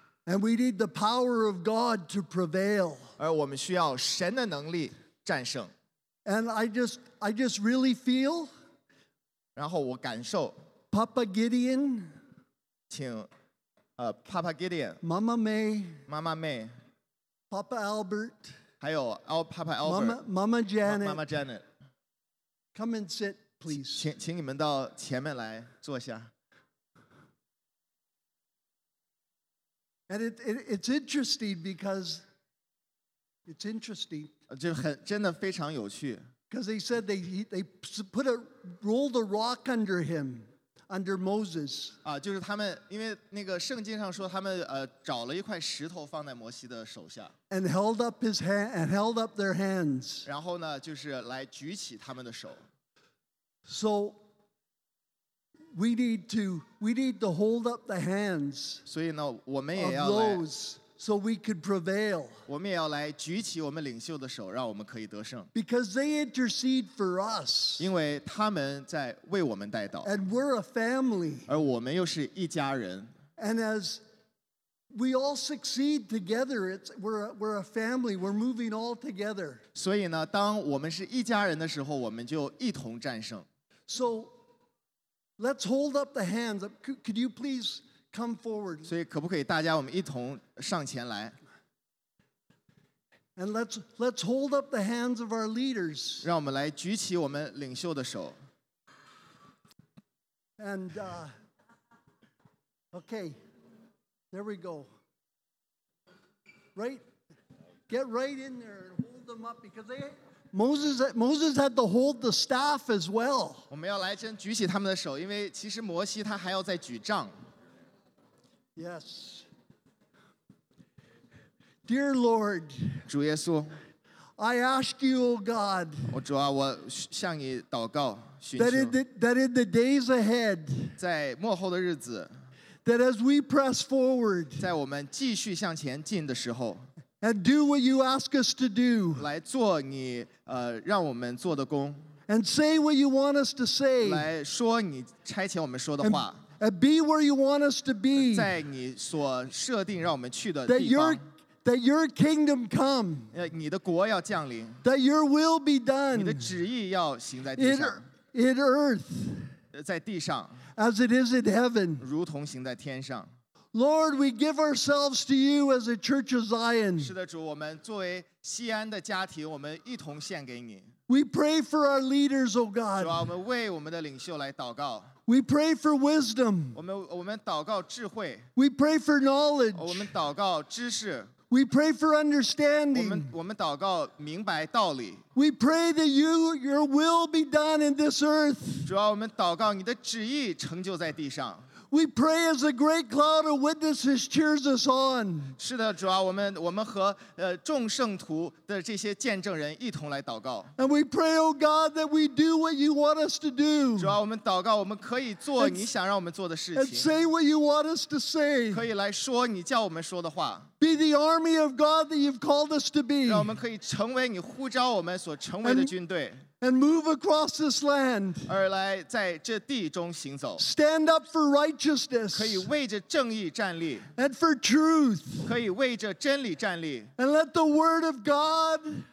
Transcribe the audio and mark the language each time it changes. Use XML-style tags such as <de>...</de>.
<en>And we need the power of God to prevail.</en> <zh>而我们需要神的能力战胜。</zh> <en>And I just really feel.</en> <zh>然后我感受</zh> <en>Papa Gideon.</en> <zh>请Papa Gideon.</zh> <en>Mama May. Mama May. Papa Albert.</en> <zh>还有 Papa Albert,</zh> <en>Mama Janet, Mama Janet, come and sit, please.</en> <zh>请你们到前面来坐下。</zh> <en>And it's interesting.</en> <zh>真的非常有趣。</zh> <en>Because they said they put a rolled a rock under him, under Moses.</en> <zh>就是他们因为那个圣经上说他们找了一块石头放在摩西的手下。</zh> <en>And held up his hand and held up their hands.</en> <zh>然后呢，就是来举起他们的手。</zh> <en>So we need to hold up the hands.</en> <zh>所以呢，我们也要来。</zh> <en>Of those, so we could prevail.</en> <zh>我们也要来举起我们领袖的手，让我们可以得胜。</zh> <en>Because they intercede for us.</en> <zh>因为他们在为我们代祷。</zh> <en>And we're a family.</en> <zh>而我们又是一家人。</zh> <en>And as We all succeed together. We're a family. We're moving all together.</en> <zh>所以呢，当我们是一家人的时候，我们就一同战胜。</zh> <en>So, Let's hold up the hands. Could you please come forward?</en> <zh>所以可不可以大家我们一同上前来？</zh> <en>And let's hold up the hands of our leaders.</en> <zh>让我们来举起我们领袖的手。</zh> <en>And okay, there we go. Right, get right in there and hold them up because they. Moses had to hold the staff as well.</en> <zh>我们要来先举起他们的手，因为其实摩西他还要再举杖。</zh> <en>Yes. Dear Lord.</en> <zh>主耶稣。</zh> <en>I ask you, O God.</en> <zh>我主啊，我向你祷告，寻求。</zh> <en>That in the days ahead.</en> <zh>在末后的日子。</zh> <en>That as we press forward.</en> <zh>在我们继续向前进的时候。</zh> <en>And do what you ask us to do.</en> <zh>来做你让我们做的工。</zh> <en>And say what you want us to say.</en> <zh>来说你差遣我们说的话。</zh> <en>And be where you want us to be.</en> <zh>在你所设定让我们去的地</zh> <en>方。That your kingdom come.</en> <zh>你的国要降临。</zh> <en>That your will be done.</en> <zh>你的旨意要行在地上。</zh> <en>In earth.</en> <zh>在地上。</zh> <en>As it is in heaven.</en> <zh>如同行在天上。</zh> <en>Lord, we give ourselves to you as a church of Zion.</en> <zh>是的，主，我们作为锡安的家庭，我们一同献给你。</zh> <en>We pray for our leaders, O God.</en> <zh>主啊，我们为我们的领袖来祷告。</zh> <en>We pray for wisdom.</en> <zh>我们祷告智慧。</zh> <en>We pray for knowledge.</en> <zh>我们祷告知识。</zh> <en>We pray for understanding.</en> <zh>我们祷告明白道理。</zh> <en>We pray that your will be done in this earth.</en> <zh>主啊，我们祷告你的旨意成就在地上。</zh> <en>We pray as a great cloud of witnesses cheers us on.</en> <zh>是的，主啊，我们和众圣徒的这些见证人一同来祷告。</zh> <en>And we pray, O God, that we do what you want us to do.</en> <zh>主啊，我们祷告，我们可以做你想让我们做的事情。</zh> <en>And say what you want us to say.</en> <zh>可以来说你叫我们说的话。</zh> <en>Be the army of God that you've called us to be.</en> <zh>让我们可以成为你呼召我们所成为的军队。</zh> <en>And move across this land.</en> <zh>而来在这地中行走。</zh> <en>Stand up for righteousness.</en> <zh>可以为着正义站立。</zh> <en>And for truth.</en> <zh>可以为着真理站立。</zh> <en>And let the word of God.</en>